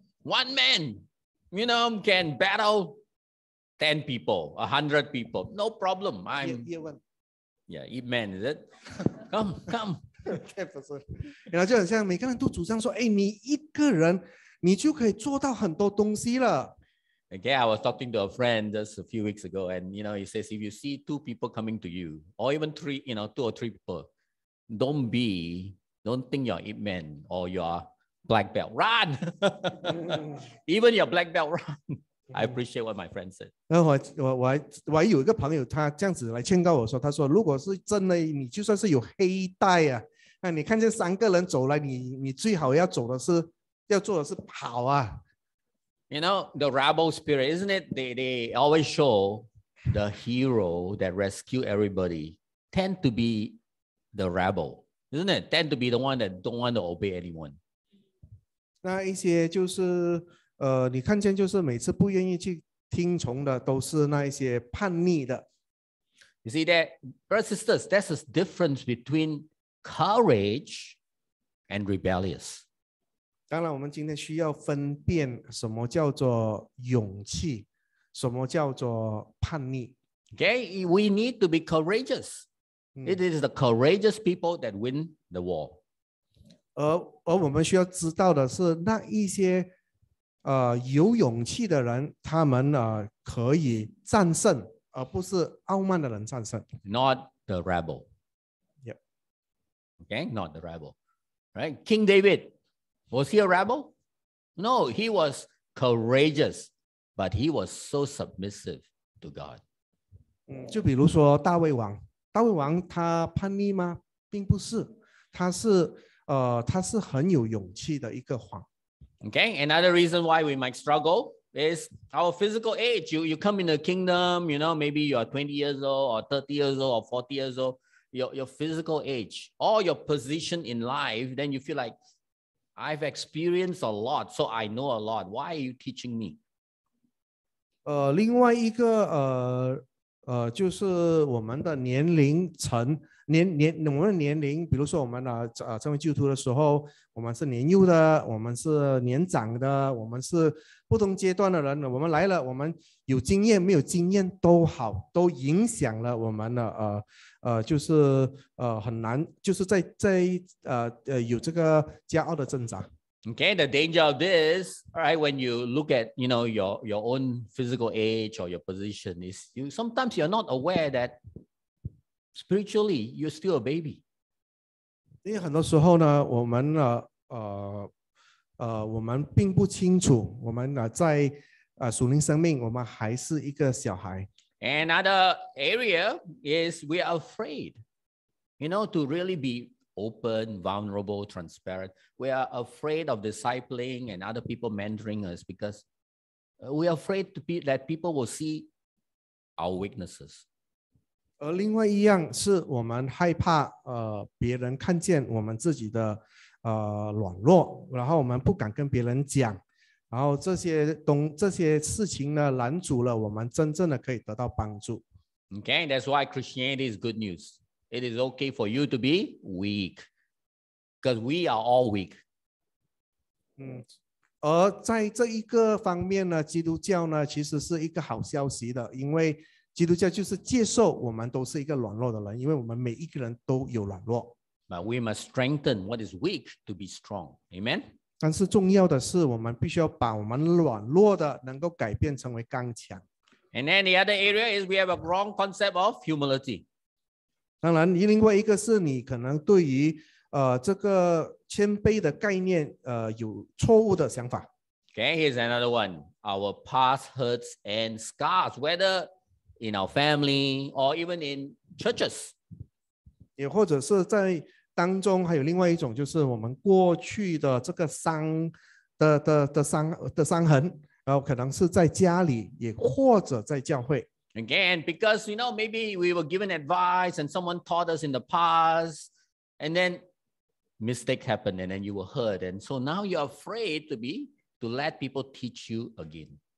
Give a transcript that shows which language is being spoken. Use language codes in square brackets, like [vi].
[en] One man, you know, can battle. 10 people, 100 people, no problem. Yeah, man, is it? Come. [zh] 然后就很像每个人都主张说，哎，你一个人，你就可以做到很多东西了。 [en] Okay, I was talking to a friend just a few weeks ago, and you know, he says, if you see two people coming to you, or even three, you know, two or three people, don't think you're Ip Man or you're black belt. Run! Even your black belt, run. I appreciate what my friend said. [zh] 我还有一个朋友，他这样子来劝告我说，他说如果是真的，你就算是有黑带啊，那你看见三个人走来，你最好要走的是，要做的是跑啊。 [en] You know, the rabble spirit, isn't it? They always show the hero that rescue everybody tend to be the rabble, isn't it? Tend to be the one that don't want to obey anyone. [zh] 那一些就是你看见就是每次不愿意去听从的都是那一些叛逆的。 [en] You see that, brothers and sisters, there's a difference between courage and rebellious. [zh] 当然我们今天需要分辨什么叫做勇气，什么叫做叛逆。 [en] Okay, we need to be courageous. It is the courageous people that win the war. [zh] 而我们需要知道的是那一些有勇气的人，他们可以战胜，而不是傲慢的人战胜。 [en] Not the rebel. Yep. Okay, not the rebel. Right? King David, was he a rebel? No, he was courageous, but he was so submissive to God. [zh] 就比如说大卫王，大卫王他叛逆吗？并不是，他是很有勇气的一个王。 [en] Okay, another reason why we might struggle is our physical age. You come in the kingdom, you know, maybe you are 20 years old or 30 years old or 40 years old. your physical age or your position in life, then you feel like I've experienced a lot, so I know a lot. Why are you teaching me? [zh] 另外一个就是我们的年龄层我们的年龄，比如说我们成为基督徒的时候，我们是年幼的，我们是年长的，我们是不同阶段的人。我们来了，我们有经验没有经验都好，都影响了我们的就是很难，就是在有这个骄傲的挣扎。 [en] Okay, the danger of this, right? When you look at, you know, your own physical age or your position, is you sometimes you're not aware that spiritually you're still a baby. [zh] 因为很多时候呢，我们我们并不清楚，我们在属灵生命，我们还是一个小孩。 [en] Another area is we are afraid, you know, to really be. Open, vulnerable, transparent. We are afraid of discipling and other people mentoring us because we are afraid that people will see our weaknesses. [zh] 而另外一样是我们害怕别人看见我们自己的软弱，然后我们不敢跟别人讲，然后这些事情呢拦阻了我们真正的可以得到帮助。 [en] Okay, that's why Christianity is good news. It is okay for you to be weak, because we are all weak. [zh] 而在这一个方面呢，基督教呢其实是一个好消息的，因为基督教就是接受我们都是一个软弱的人，因为我们每一个人都有软弱。 [en] But we must strengthen what is weak to be strong. Amen. [zh] 但是重要的是，我们必须要把我们软弱的能够改变成为刚强。 [en] And then the other area is we have a wrong concept of humility. [zh] 当然，另外一个是你可能对于这个谦卑的概念有错误的想法。 [en] Okay, here's another one. Our past hurts and scars, whether in our family or even in churches. [zh] 也或者是在当中还有另外一种，就是我们过去的这个伤痕，然后可能是在家里，也或者在教会。 [en] Again, because, you know, maybe we were given advice and someone taught us in the past and then mistake happened and then you were hurt. And so now you're afraid to let people teach you again.